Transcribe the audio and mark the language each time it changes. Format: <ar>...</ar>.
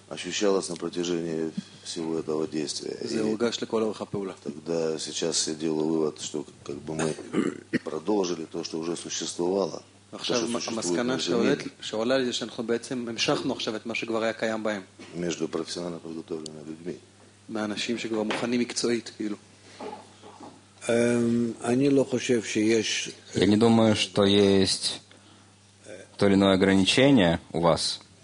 <ru>Ощущалось на протяжении всего этого действия. И тогда сейчас я делаю вывод, что как бы мы продолжили то, что уже существовало. Между профессионально подготовленными людьми.</ru> <he>מהאנשים שכבר מוכנים מקצועית, כאילו. אני לא חושב שיש.</he> <ru>Я не думаю, что есть то или иное ограничение у вас.</ru>